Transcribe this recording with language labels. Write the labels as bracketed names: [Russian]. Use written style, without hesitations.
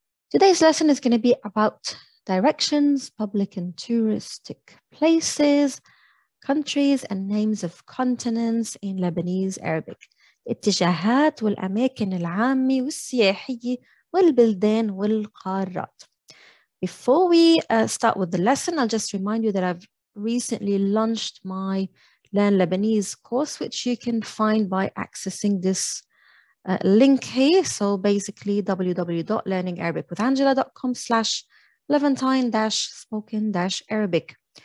[English] Today's lesson is going to be about directions, public and touristic places, countries and names of continents in Lebanese Arabic. [Arabic] اتجاهات والأماكن العامة والسياحية والبلدان والقارات. [English] Before we start with the lesson, I'll just remind you that I've recently launched my Learn Lebanese course, which you can find by accessing this link here. So basically www.learningarabicwithangela.com/levantine-spoken-arabic.